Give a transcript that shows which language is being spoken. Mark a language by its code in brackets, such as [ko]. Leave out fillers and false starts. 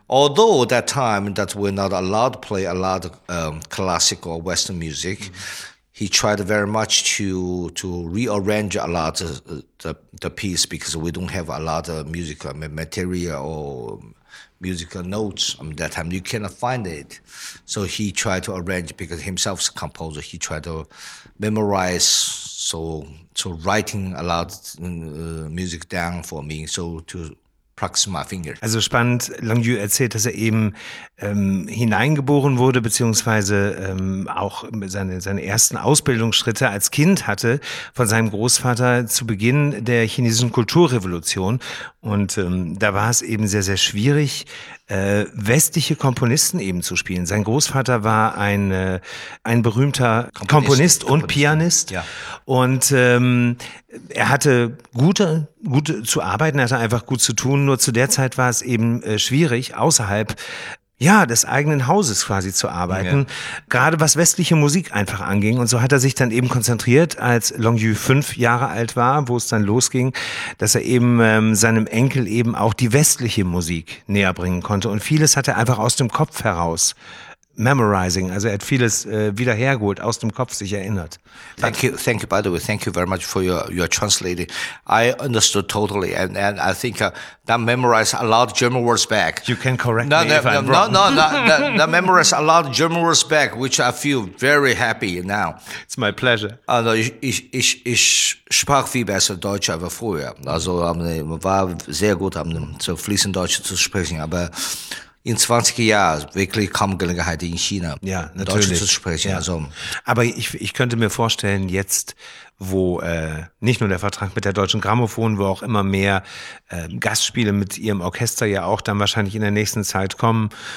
[en] Although that time that we're not allowed to play a lot of classic or Western music, mm-hmm. he tried very much to rearrange a lot of the piece because we don't have a lot of musical material or musical notes that time. You cannot find it. So he tried to arrange, because himself's a composer, he tried to memorize, so writing a lot music down for me, so to practice my finger. [de] Also spannend, Long Yu erzählt, dass er eben hineingeboren wurde, beziehungsweise auch seine ersten Ausbildungsschritte als Kind hatte von seinem Großvater zu Beginn der chinesischen Kulturrevolution. Und da war es eben sehr, sehr schwierig, westliche Komponisten eben zu spielen. Sein Großvater war ein berühmter Komponist und Pianist. Ja. Und er hatte gute zu arbeiten, er hatte einfach gut zu tun. Nur zu der Zeit war es eben schwierig, außerhalb des eigenen Hauses quasi zu arbeiten. Ja. Gerade was westliche Musik einfach anging. Und so hat er sich dann eben konzentriert, als Long Yu 5 Jahre alt war, wo es dann losging, dass er eben seinem Enkel eben auch die westliche Musik näher bringen konnte. Und vieles hat er einfach aus dem Kopf heraus memorizing. Also er hat vieles wiederhergeholt, aus dem Kopf sich erinnert. [en] Thank you, by the way. Thank you very much for your translating. I understood totally. And I think that memorized a lot of German words back. You can correct me if I'm wrong. No. That memorized a lot of German words back, which I feel very happy now. It's my pleasure. [de] Also ich sprach viel besser Deutsch als vorher. Also war sehr gut, so fließend Deutsch zu sprechen. Aber in 20 Jahren wirklich kaum Gelegenheit in China, ja, Deutsch zu sprechen. Ja. Also. Aber ich könnte mir vorstellen, jetzt wo nicht nur der Vertrag mit der Deutschen Grammophon, wo auch immer mehr Gastspiele mit ihrem Orchester ja auch dann wahrscheinlich in der nächsten Zeit kommen.